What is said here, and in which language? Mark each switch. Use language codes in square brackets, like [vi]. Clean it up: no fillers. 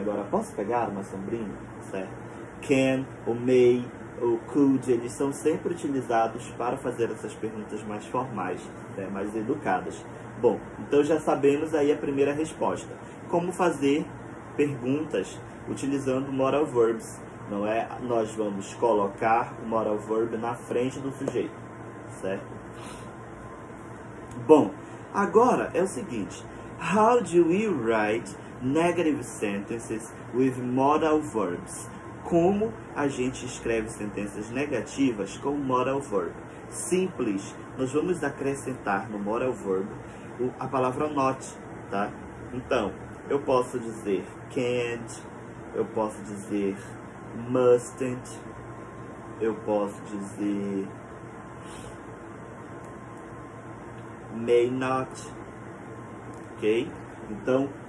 [pt] Agora posso pegar uma sombrinha? Certo? Can, o may, o could, eles são sempre utilizados para fazer essas perguntas mais formais, né? Mais educadas. Bom, então já sabemos aí a primeira resposta. Como fazer perguntas utilizando modal verbs, não é? Nós vamos colocar o modal verb na frente do sujeito, certo? Bom, agora é o seguinte. [en] How do we write negative sentences with modal verbs? [pt] Como a gente escreve sentenças negativas com modal verb? Simples. Nós vamos acrescentar no modal verb a palavra not, tá? Então, eu posso dizer can't. Eu posso dizer mustn't, eu posso dizer may not, ok? Então,